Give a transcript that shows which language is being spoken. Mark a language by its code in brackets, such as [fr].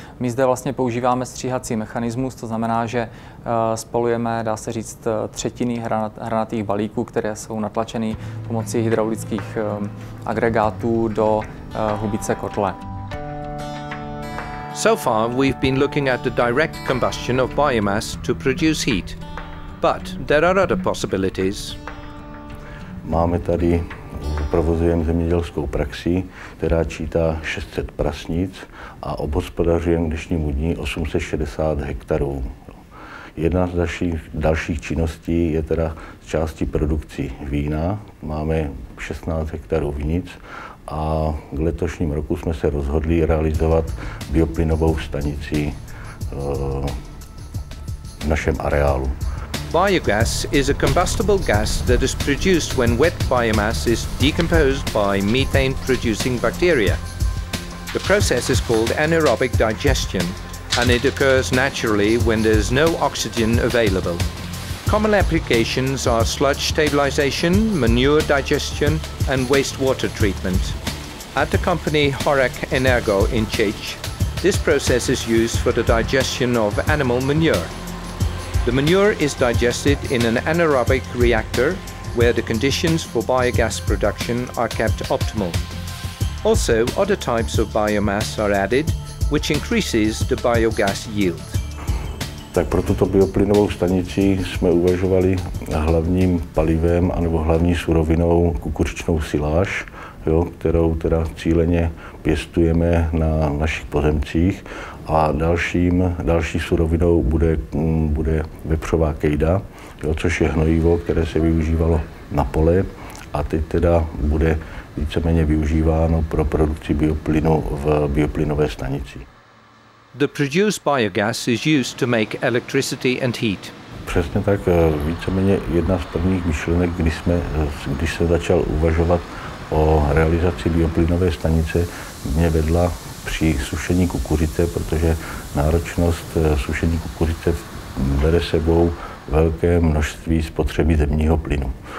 [cs] My zde vlastně používáme stříhací mechanismus, to znamená, že spalujeme, dá se říct, třetiny hranatých balíků, které jsou natlačeny pomocí hydraulických agregátů do hubice kotle. [en] So far we've been looking at the direct combustion of biomass to produce heat, but there are other possibilities. [cs] Máme tady provozujeme zemědělskou praxi, která čítá 600 prasnic a obhospodařujeme k dnešnímu dní 860 hektarů. Jedna z dalších činností je teda z části produkci vína. Máme 16 hektarů vinic a k letošním roku jsme se rozhodli realizovat bioplynovou stanici v našem areálu. [en] Biogas is a combustible gas that is produced when wet biomass is decomposed by methane-producing bacteria. The process is called anaerobic digestion, and it occurs naturally when there is no oxygen available. Common applications are sludge stabilization, manure digestion, and wastewater treatment. At the company Horek Energo in Czech, this process is used for the digestion of animal manure. The manure is digested in an anaerobic reactor where the conditions for biogas production are kept optimal. Also, other types of biomass are added, which increases the biogas yield. [cs] Tak pro tuto bioplynovou stanici jsme uvažovali hlavním palivem anebo hlavní surovinou kukuřičnou siláž, jo, kterou teda cíleně pěstujeme na našich pozemcích. A další surovinou bude vepřová kejda, jo, což je hnojivo, které se využívalo na pole a teď teda bude víceméně využíváno pro produkci bioplynu v bioplynové stanici. [en] The produced biogas is used to make electricity and heat. [cs] Přesně tak, víceméně jedna z prvních myšlenek, když se začal uvažovat o realizaci bioplynové stanice, mě vedla při sušení kukuřice, protože náročnost sušení kukuřice bere sebou velké množství spotřeby zemního plynu.